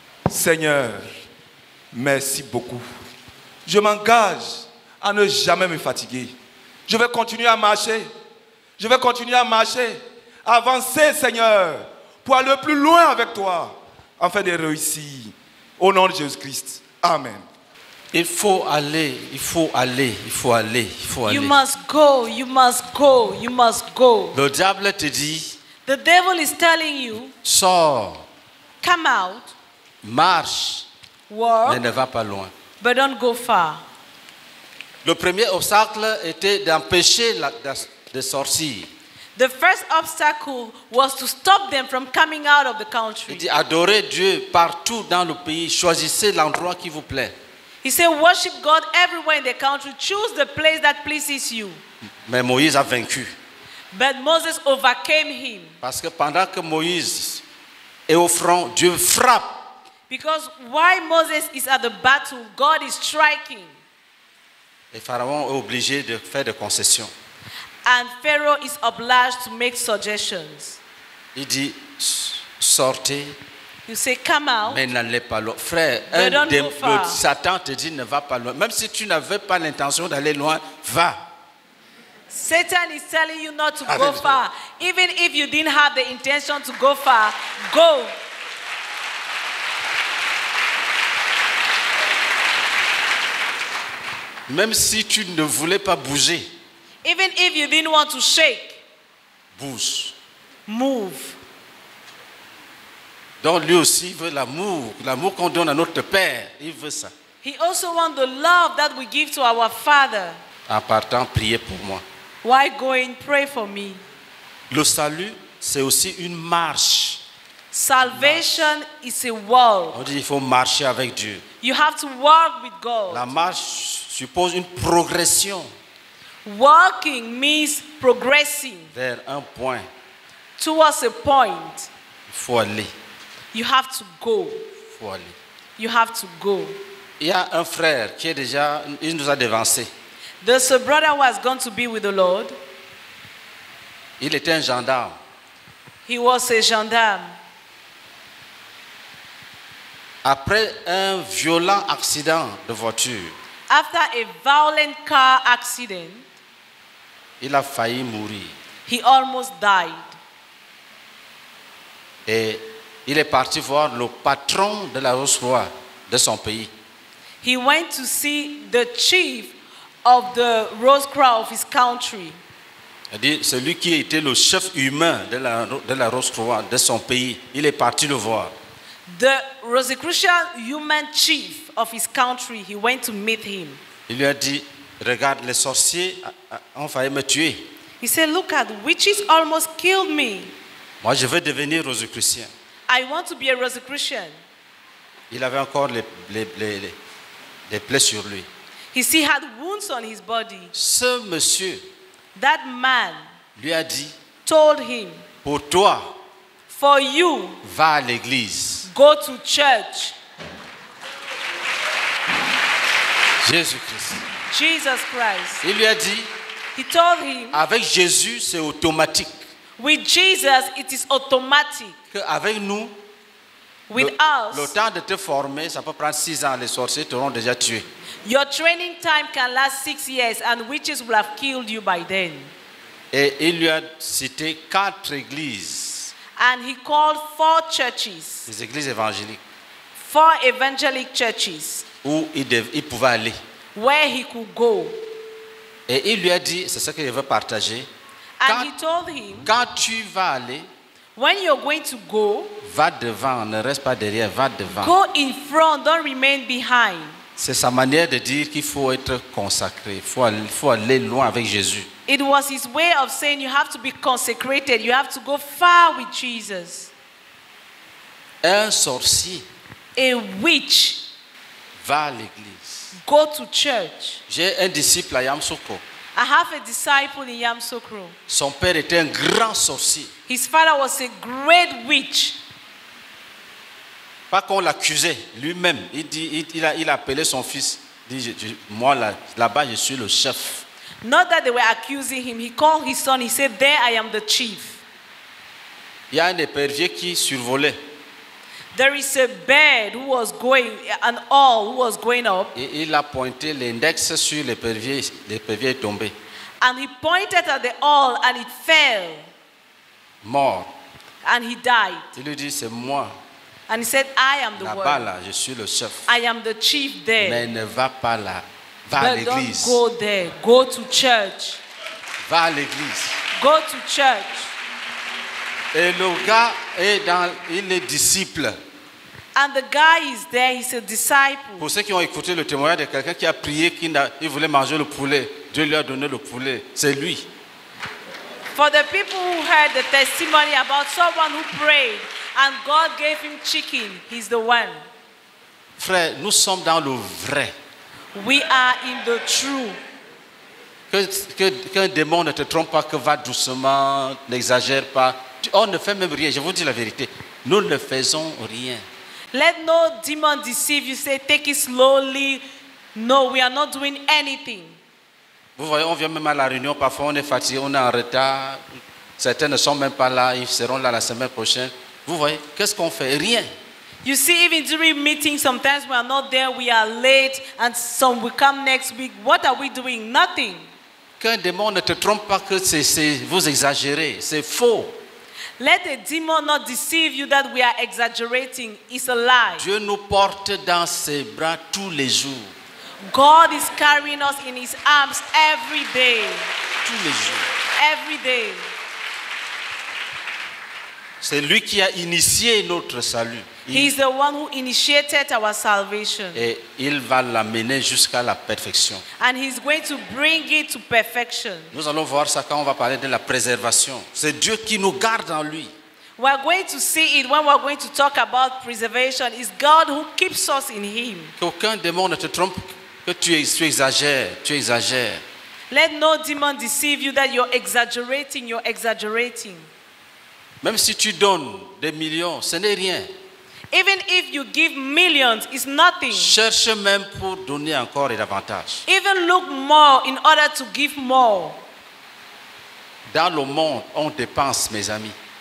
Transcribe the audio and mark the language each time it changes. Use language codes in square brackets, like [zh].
[fr] Seigneur, merci beaucoup. Je m'engage à ne jamais me fatiguer. Je vais continuer à marcher. Je vais continuer à marcher, avancer, Seigneur, pour aller plus loin avec toi, afin de réussir. Au nom de Jésus-Christ. Amen. Il faut aller, il faut aller, il faut aller, il faut aller. [en] You must go, you must go, you must go. [fr] Le diable te dit. [en] The devil is telling you. [fr] Sors. [en] Come out. [fr] Marche. [en] Walk. [fr] Mais ne va pas loin. [en] But don't go far. [fr] Le premier obstacle était d'empêcher de sortir. [en] The first obstacle was to stop them from coming out of the country. [fr] Il dit adorez Dieu partout dans le pays, choisissez l'endroit qui vous plaît. [en] He said, worship God everywhere in the country. Choose the place that pleases you. [fr] Mais Moïse a vaincu. [en] But Moses overcame him. [fr] Parce que pendant que Moïse est au front, Dieu frappe. [en] Because while Moses is at the battle, God is striking. [fr] Et Pharaon est obligé de faire des concessions. [en] And Pharaoh is obliged to make suggestions. [fr] Il dit, sortez. [en] You say, come out. [fr] Mais n'allez pas loin. Frère, Satan te dit ne va pas loin. Même si tu n'avais pas l'intention d'aller loin, va. [en] Satan is telling you not to go far. Even if you didn't have the intention to go far, go. [fr] Même si tu ne voulais pas bouger. [en] Even if you didn't want to shake. [fr] Bouge. [en] Move. [fr] Donc lui aussi veut l'amour qu'on donne à notre père, il veut ça. [en] He also wants the love that we give to our father. [fr] En partant, priez pour moi. [en] Why going pray for me? [fr] Le salut, c'est aussi une marche. [en] Salvation is a walk. [fr] On dit il faut marcher avec Dieu. [en] You have to walk with God. [fr] La marche suppose une progression. [en] Walking means progressing. [fr] Vers un point. [en] Towards a point. [fr] Il faut aller. [en] You have to go. [fr] Faut aller. [en] You have to go. [fr] Il y a un frère qui est déjà, il nous a devancé. [en] There's a brother who has gone to be with the Lord. [fr] Il était un gendarme. [en] He was a gendarme. [fr] Après un violent accident de voiture. [en] After a violent car accident, [fr] il a failli mourir. [en] He almost died. [fr] Et il est parti voir le patron de la Rolls-Royce de son pays. [en] He went to see the chief of the Rolls-Royce of his country. [fr] C'est-à-dire celui qui était le chef humain de la Rolls-Royce de son pays, il est parti le voir. [en] The Rosicrucian human chief of his country, he went to meet him. [fr] Il lui a dit, regarde, les sorciers ont failli me tuer. [en] He said, look at, witches almost killed me. [fr] Moi, je veux devenir Rosicrucien. [en] I want to be a Rosicrucian. [fr] Il avait encore les plaies sur lui. [en] He still had wounds on his body. [fr] Ce monsieur, [en] that man, [fr] lui a dit, [en] told him, [fr] pour toi, [en] for you, [fr] va à l'église. [en] Go to church. [fr] Jésus-Christ. [en] Jesus Christ. [fr] Il lui a dit, [en] he told him, [fr] avec Jésus, c'est automatique. [en] With Jesus, it is automatic. [fr] Avec nous, [en] with us, [fr] le temps de te former, ça peut prendre 6 ans, les sorciers t'auront déjà tué. [en] Your training time can last 6 years and witches will have killed you by then. [fr] Et il lui a cité 4 églises. [en] And he called 4 churches. [fr] Les églises évangéliques. [en] 4 evangelic churches. [fr] Où il pouvait aller. [en] Where he could go. [fr] Et il lui a dit, c'est ce que je veux partager. [en] And he told him, [fr] quand tu vas aller, [en] when you're going to go, [fr] va devant, ne reste pas derrière, va devant. [en] Go in front, don't remain behind. [fr] C'est sa manière de dire qu'il faut être consacré, faut aller loin avec Jésus. [en] It was his way of saying you have to be consecrated, you have to go far with Jesus. [fr] Un sorcier, [en] a witch, [fr] va à l'église. [en] Go to church. [fr] J'ai un disciple à Yamsoko. [en] I have a disciple in Yamsoko. [fr] Son père était un grand sorcier. [en] His father was a great witch. [fr] Pas qu'on l'accusait lui-même. Il a appelé son fils. Dit, moi là-bas, je suis le chef. [en] Not that they were accusing him. He called his son. He said, there I am the chief. [fr] Il y a un épervier qui survolait. [en] There is a bird who was going, an owl who was going up. [fr] Et il a pointé l'index sur l'épervier. L'épervier est tombé. [en] And he pointed at the owl and it fell. [fr] Mort. [en] And he died. [fr] Il lui dit, c'est moi. [en] And he said, I am the one. [fr] Là-bas, là, je suis le chef. [en] I am the chief there. [fr] Mais ne va pas là. Va [en] but [fr] à l'église. [en] Don't go there. Go to church. [fr] Va à l'église. [en] Go to church. [fr] Et le gars est dans, il est disciple. [en] And the guy is there. He's a disciple. [fr] Pour ceux qui ont écouté le témoignage de quelqu'un qui a prié, qu'il voulait manger le poulet, Dieu lui a donné le poulet. C'est lui. [en] For the people who heard the testimony about someone who prayed, and God gave him chicken. He's the one. [fr] Frère, nous sommes dans le vrai. [en] We are in the true. [fr] Que un démon ne te trompe pas, que va doucement, n'exagère pas. On ne fait même rien. Je vous dis la vérité. Nous ne faisons rien. [en] Let no demon deceive you. Say, take it slowly. No, we are not doing anything. [fr] Vous voyez, on vient même à la réunion. Parfois, on est fatigué, on est en retard. Certains ne sont même pas là. Ils seront là la semaine prochaine. Vous voyez, qu'est-ce qu'on fait? Rien. [en] You see, even during meetings, sometimes we are not there, we are late, and some will come next week. What are we doing? Nothing. [fr] Qu'un démon ne te trompe pas que c'est vous exagérez. C'est faux. [en] Let a demon not deceive you that we are exaggerating. It's a lie. [fr] Dieu nous porte dans ses bras tous les jours. [en] God is carrying us in his arms every day. [fr] Tous les jours. [en] Every day. [fr] C'est lui qui a initié notre salut. [en] He is the one who initiated our salvation. [fr] Et il va l'amener jusqu'à la perfection. [en] And he's going to bring it to perfection. [fr] Nous allons voir ça quand on va parler de la préservation. C'est Dieu qui nous garde en lui. [en] We are going to see it when we are going to talk about preservation. It's God who keeps us in him. [fr] Qu'aucun démon ne te trompe, que tu exagères, tu exagères. [en] Let no demon deceive you that you're exaggerating, you're exaggerating. [fr] Même si tu donnes des millions, ce n'est rien. [en] Even if you give millions, it's nothing. [fr] Cherche même pour donner encore et davantage. [en] Even look more in order to give more. [fr] Dans le monde, on dépense, mes amis.